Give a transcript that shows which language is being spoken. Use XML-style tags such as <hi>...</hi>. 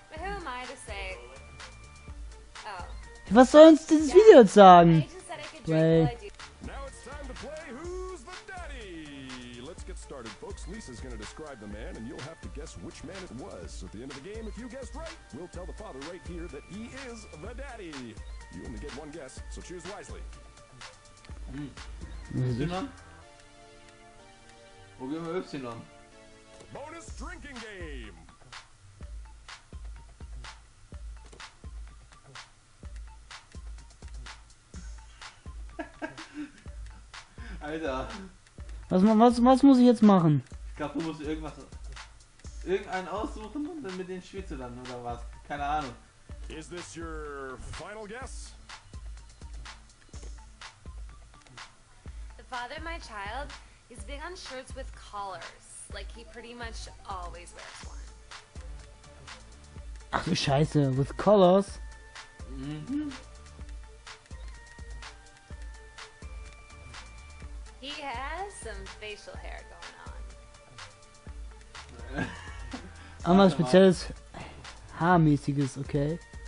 <de>Hey, was soll uns dieses Video jetzt sagen?</de> <en>Play. Now it's time to play Who's the Daddy? Let's get started, folks. Lisa's gonna describe the man, and you'll have to guess which man it was. At the end of the game, if you guessed right, we'll tell the father right here that he is the daddy. You only get one guess, so choose wisely. Y-Lon?</en> <de>Probieren wir Y-Lon.</de> <en>Bonus drinking game!</en> <de>Alter. Was muss ich jetzt machen? Ich glaube, du musst irgendwas. Irgendeinen aussuchen und dann mit den Spiel zu landen oder was? Keine Ahnung.</de> <en>Is this your final guess? The father of my child is big on shirts with collars. Like he pretty much always wears one.</en> <de>Ach du Scheiße,</de> <en>with collars? Mhm. He has some facial hair going on.</en> <de>Einmal spezielles haarmäßiges, okay?</de>